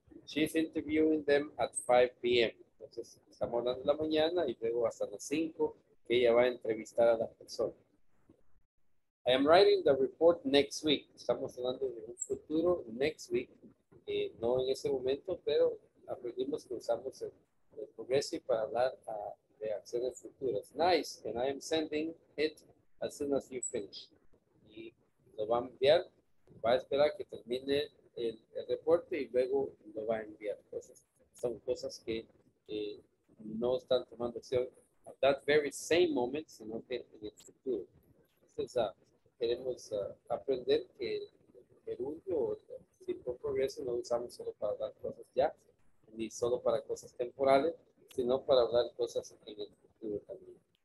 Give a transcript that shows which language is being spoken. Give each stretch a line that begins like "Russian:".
English: She's interviewing them at 5 p.m.
Spanish: Entonces, estamos hablando de la mañana y luego hasta las 5 que ella va a entrevistar a las personas.
English: I am writing the report next week.
Spanish: Estamos hablando de un futuro
English: next week.
Spanish: No en ese momento, pero aprendimos que usamos el progressive para hablar de acciones futuras.
English: Nice, and I am sending it as soon as you finish.
Spanish: Y lo va a enviar, va a esperar que termine el reporte y luego lo va a enviar. Entonces, son cosas que no están tomando acción
English: at that very same moment,
Spanish: sino que en el futuro. Entonces, queremos aprender que el último o el tiempo progreso no usamos solo para hablar cosas ya, ni solo para cosas temporales, sino para hablar cosas en el futuro también.